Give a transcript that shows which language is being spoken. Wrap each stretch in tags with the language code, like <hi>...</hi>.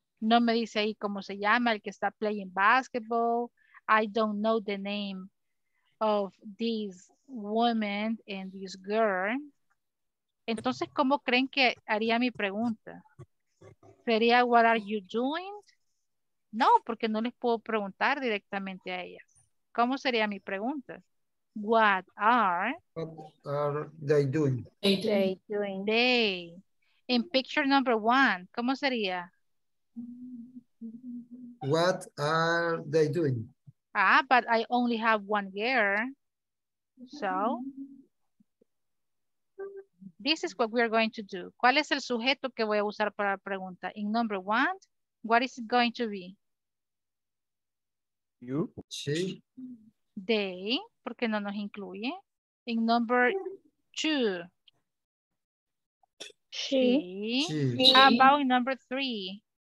<es>No me dice ahí cómo se llama el que está</es> <en>playing basketball. I don't know the name of this woman and this girl.</en> <es>Entonces, ¿cómo creen que haría mi pregunta? ¿Sería</es> <en>what are you doing?</en> <es>No, porque no les puedo preguntar directamente a ellas. ¿Cómo sería mi pregunta?</es> <en>What are they doing? They in picture number 1,</en> <es>¿cómo sería?</es> <en>What are they doing? Ah, but I only have one girl. So this is what we are going to do.</en> <es>¿Cuál es el sujeto que voy a usar para la pregunta?</es> <en>In number 1, what is it going to be? You? She? They?</en> <es>Porque no nos incluye.</es> <en>In number 2. She. She. How about in number 3?</en>